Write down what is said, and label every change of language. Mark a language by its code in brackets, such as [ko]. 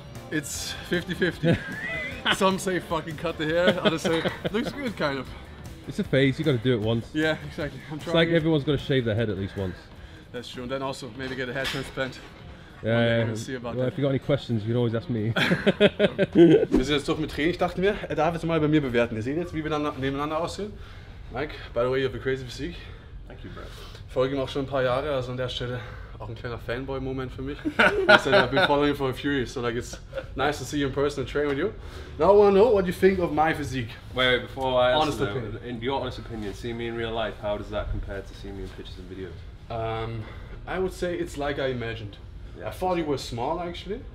[en] It's 50-50. Some say fucking cut the hair, others say looks good kind of. It's a phase, you gotta do it once. Yeah, exactly. I'm trying. It's like everyone's gotta shave their head at least once. That's true, and then also maybe get a hair transplant. Yeah, yeah. See about well, if you got any questions, you can always ask me. [de] Wir sind jetzt durch mit Training. Ich dachte mir, er darf jetzt mal bei mir bewerten. Ihr seht jetzt, wie wir dann nebeneinander aussehen. [en] Mike, by the way, you have a crazy physique. Thank you, bro. [de] Folge ihm auch schon ein paar Jahre, also an der Stelle auch ein kleiner Fanboy-Moment für mich. [en] Also, I've been following you for a few years, so like it's nice to see you in person and train with you. Now I want to know what you think of my physique. Wait, before I ask honest them, in your honest opinion, see me in real life, how does that compare to seeing me in pictures and videos? I would say it's like I imagined. Yeah. I thought you were small actually.